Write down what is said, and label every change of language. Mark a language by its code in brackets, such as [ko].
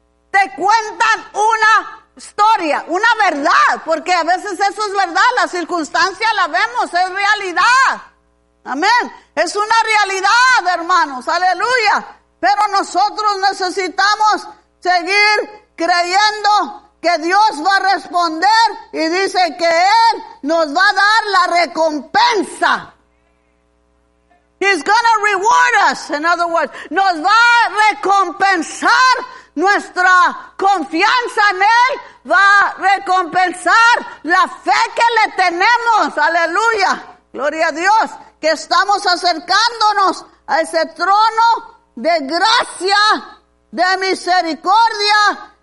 [es] Te cuentan una historia, una verdad, porque a veces eso es verdad, la circunstancia la vemos, es realidad, amén, es una realidad, hermanos, aleluya, pero nosotros necesitamos seguir creyendo que Dios va a responder y dice que Él nos va a dar la recompensa. [en] He's gonna reward us, in other words, [es] nos va a recompensar. Nuestra confianza en Él va a recompensar la fe que le tenemos. Aleluya. Gloria a Dios. Que estamos acercándonos a ese trono de gracia, de misericordia,